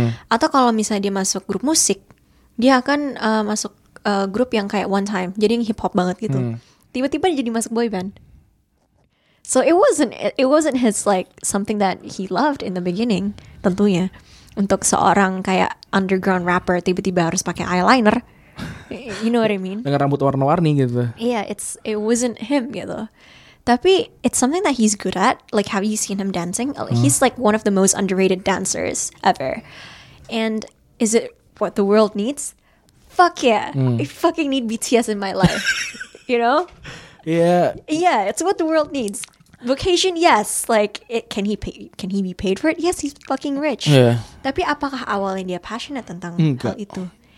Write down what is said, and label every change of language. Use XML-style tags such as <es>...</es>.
<id>Atau kalau misalnya dia masuk grup musik, dia akan masuk grup yang kayak one time, jadi yang hip hop banget gitu. Tiba-tiba dia jadi masuk boy band.</id> <en>So it wasn't his like something that he loved in the beginning,</en> <id>tentunya. Untuk seorang kayak underground rapper tiba-tiba harus pakai eyeliner.</id> <en>You know what I mean?</en> <id>Dengan rambut warna-warni gitu.</id> <en>Yeah, it wasn't him</en> <id>gitu. Tapi</id> <en>it's something that he's good at. Like have you seen him dancing? He's like one of the most underrated dancers ever. And is it what the world needs? Fuck yeah. I fucking need BTS in my life. You know? Yeah, it's what the world needs. Vocation, yes. Like, can he be paid for it? Yes, he's fucking rich. Yeah.</en> <id>Tapi apakah awalnya dia passionate tentang hal itu?</id>